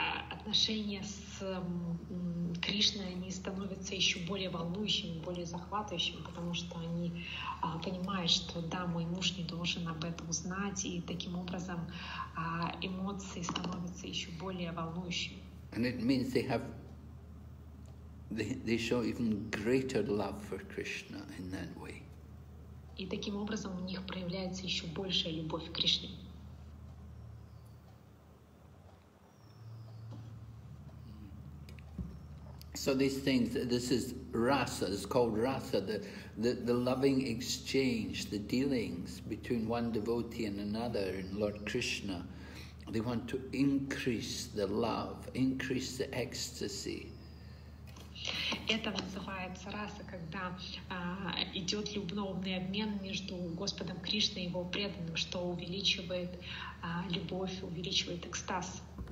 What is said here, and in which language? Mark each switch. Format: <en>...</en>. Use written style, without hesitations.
<ru>отношения с Кришной, они становятся еще более волнующими, более захватывающими, потому что они понимают, что да, мой муж не должен об этом знать, и таким образом эмоции становятся еще более волнующими.</ru> <en>And it means they have, they show even greater love for Krishna in that way.</en> <ru>И таким образом у них проявляется еще большая любовь к Кришне.</ru> <en>So these things, this is rasa, it's called rasa, the loving exchange, the dealings between one devotee and another in Lord Krishna. They want to increase the love, increase the ecstasy.</en> <ru>Это называется раса, когда идет любовный обмен между Господом Кришной и его преданным, что увеличивает любовь, увеличивает экстаз.</ru>